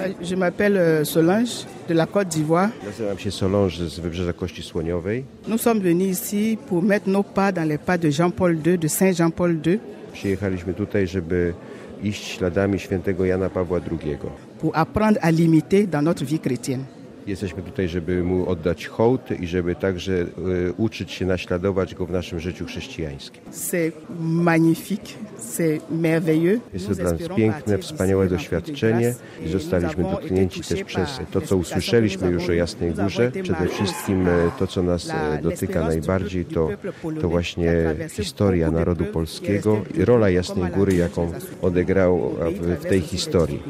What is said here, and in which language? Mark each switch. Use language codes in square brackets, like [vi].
[fr] Je m'appelle Solange de la Côte d'Ivoire. [pl] Nazywam się Solange z Wybrzeża Kości Słoniowej. [fr] Nous sommes venus ici pour mettre nos pas dans les pas de Jean-Paul II, de Saint Jean-Paul II. [pl] Przyjechaliśmy tutaj, żeby iść śladami świętego Jana Pawła II. [fr] Pour apprendre à l'imiter dans notre vie chrétienne. [pl] Jesteśmy tutaj, żeby mu oddać hołd i żeby także uczyć się naśladować go w naszym życiu chrześcijańskim. [fr] C'est magnifique, c'est merveilleux. [pl] Jest to dla nas piękne, wspaniałe doświadczenie i zostaliśmy dotknięci też przez to, co usłyszeliśmy już o Jasnej Górze. Przede wszystkim to, co nas dotyka najbardziej, to właśnie historia narodu polskiego i rola Jasnej Góry, jaką odegrał w tej historii.